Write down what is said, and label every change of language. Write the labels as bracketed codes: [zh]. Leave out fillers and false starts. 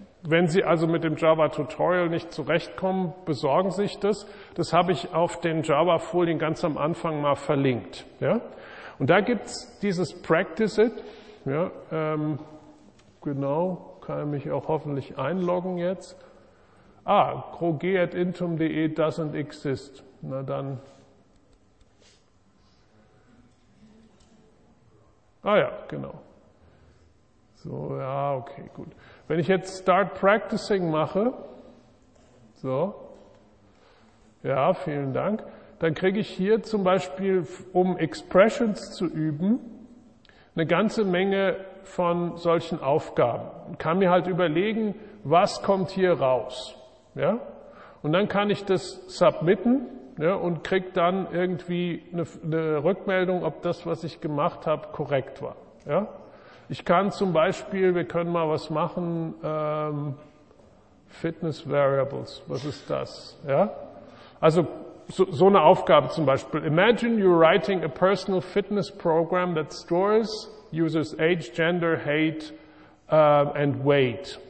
[de] Wenn Sie also mit dem Java-Tutorial nicht zurechtkommen, besorgen sich das. Das habe ich auf den Java-Folien ganz am Anfang mal verlinkt. Ja. Und da gibt's dieses Practice It, ja, genau, kann mich auch hoffentlich einloggen jetzt. [en] Ah, croge@intum.de doesn't exist. [de] Na dann. Ah ja, genau. So, ja, okay, gut. Wenn ich jetzt Start Practicing mache, so, ja, vielen Dank. Dann kriege ich hier zum Beispiel, um Expressions zu üben, eine ganze Menge von solchen Aufgaben. Kann mir halt überlegen, was kommt hier raus. Ja? Und dann kann ich das submitten, ja, und kriege dann irgendwie eine Rückmeldung, ob das, was ich gemacht habe, korrekt war. Ja? Ich kann zum Beispiel, wir können mal was machen, Fitness Variables, was ist das? Ja? Also so eine Aufgabe zum Beispiel. [en] Imagine you're writing a personal fitness program that stores users age, gender, height, and weight.